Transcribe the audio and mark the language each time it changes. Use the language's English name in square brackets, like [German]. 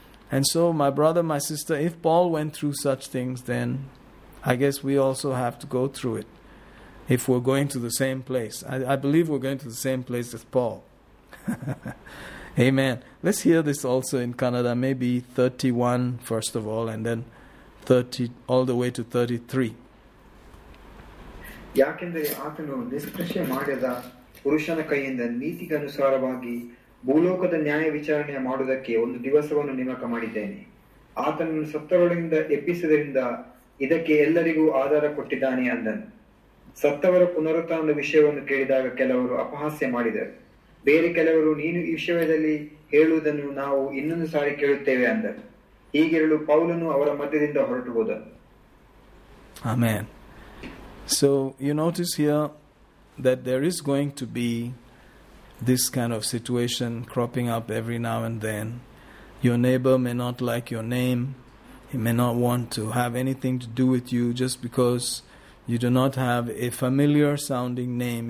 [English] And so, my brother, my sister, if Paul went through such things, then I guess we also have to go through it if we're going to the same place. I believe we're going to the same place as Paul. Amen. Let's hear this also in Canada, maybe 31 first of all, and then 30 all the way to 33. [Kannada] ಯಾಕೆಂದರೆ ಆತನು ನಿಷ್ಕೃಷ್ಯ ಮಾಡದ ಪುರುಷನ ಕೈಯಿಂದ ನೀತಿಗೆ ಅನುಸಾರವಾಗಿ ಭೂಲೋಕದ ನ್ಯಾಯ ವಿಚಾರಣೆ ಮಾಡುವುದಕ್ಕೆ ಒಂದು ದಿವಸವನ್ನು ನೇಮಕ ಮಾಡಿದ್ದೇನೆ. ಆತನನ್ನು ಸತ್ತವರಿಂದ ಎಬ್ಬಿಸಿದ್ದರಿಂದ ಇದಕ್ಕೆ ಎಲ್ಲರಿಗೂ ಆಧಾರ ಕೊಟ್ಟಿದ್ದಾನೆ ಅಂದನು. ಸತ್ತವರ ಪುನರುತ್ಥಾನದ ವಿಷಯವನ್ನು ಕೇಳಿದಾಗ ಕೆಲವರು ಅಪಹಾಸ್ಯ ಮಾಡಿದರು. ಬೇರೆ ಕೆಲವರು, ನೀನು ಈ ವಿಷಯದಲ್ಲಿ ಹೇಳುವುದನ್ನು ನಾವು ಇನ್ನೊಂದು ಸಾರಿ ಕೇಳುತ್ತೇವೆ ಅಂದರು. ಹೀಗಿರಲು ಪೌಲನು ಅವರ ಮಧ್ಯದಿಂದ ಹೊರಟು ಹೋದನು. Amen. [English] So you notice here that there is going to be this kind of situation cropping up every now and then. Your neighbor may not like your name. He may not want to have anything to do with you just because you do not have a familiar sounding name.